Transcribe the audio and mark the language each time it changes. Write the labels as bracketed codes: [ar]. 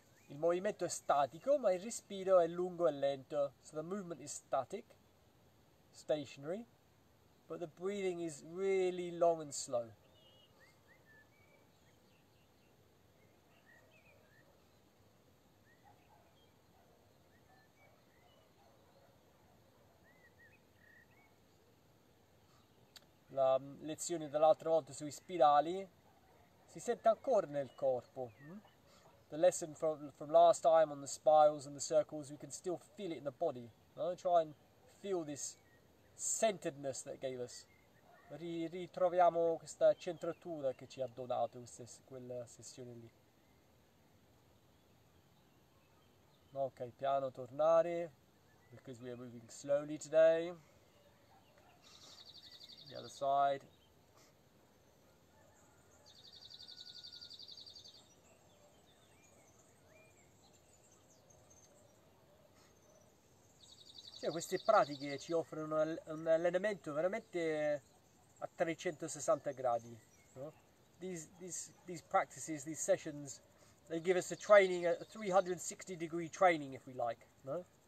[it] Il movimento è statico, ma il respiro è lungo e lento. [en] So the movement is static, stationary, but the breathing is really long and slow. [it] La lezione dell'altra volta sui spirali si sente ancora nel corpo. [en] The lesson from last time on the spirals and the circles, we can still feel it in the body. Try and feel this centeredness that gave us. [it] Ritroviamo questa centratura che ci ha donato quella sessione lì. [en] Ok, [it] piano tornare, [en] because we are moving slowly today. The other side. [it] Cioè, queste pratiche ci offrono un allenamento veramente a 360 gradi, no? [en] These practices, these sessions, they give us a training, a 360 degree training, if we like, no?